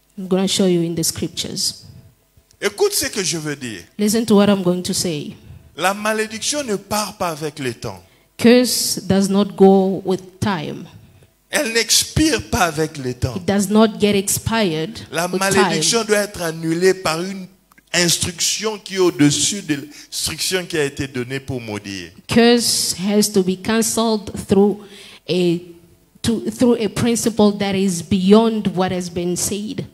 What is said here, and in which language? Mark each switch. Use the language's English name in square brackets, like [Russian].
[English] I'm going to show you in the scriptures. [French] Écoute ce que je veux dire. [English] Listen to what I'm going to say. [French] La malédiction ne part pas avec le temps. [English] Curse does not go with time. [French] Elle n'expire pas avec le temps. [English] It does not get expired. [French] La malédiction doit être annulée par une instruction qui est au-dessus de l'instruction qui a été donnée pour maudire. [English] Curse has to be cancelled through a principle that is beyond what has been said.